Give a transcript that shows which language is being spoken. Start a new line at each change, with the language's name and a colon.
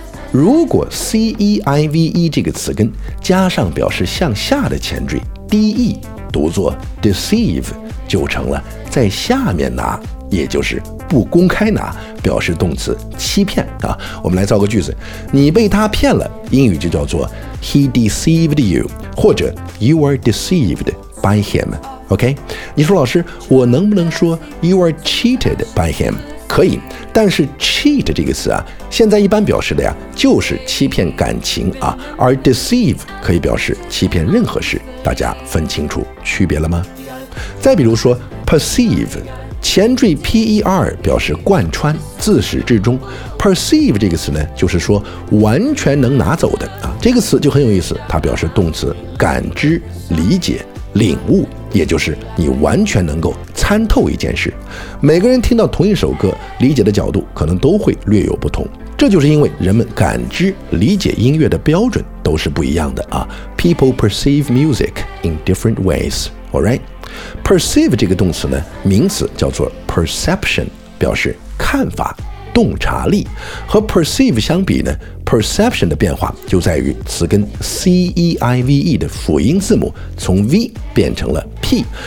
Chinese: 如果 C-E-I-V-E 这个词根加上表示向下的前缀 D-E 读作 deceive， 就成了在下面拿，也就是不公开拿，表示动词欺骗啊。我们来造个句子，你被他骗了，英语就叫做
English: He deceived you，
Chinese: 或者
English: You are deceived by him。
Chinese: OK， 你说老师，我能不能说
English: You are cheated by him？
Chinese: 可以，但是 cheat 这个词啊，现在一般表示的呀，就是欺骗感情啊，而 deceive 可以表示欺骗任何事，大家分清楚区别了吗？再比如说 perceive， 前缀 per 表示贯穿，自始至终 ，perceive 这个词呢，就是说完全能拿走的啊，这个词就很有意思，它表示动词感知、理解、领悟。也就是你完全能够参透一件事，每个人听到同一首歌，理解的角度可能都会略有不同，这就是因为人们感知理解音乐的标准都是不一样的啊。
English: People perceive music in different ways. Alright?
Chinese: Perceive 这个动词呢，名词叫做 perception， 表示看法洞察力，和 perceive 相比呢， perception 的变化就在于词根 ceive 的辅音字母从 v 变成了 p，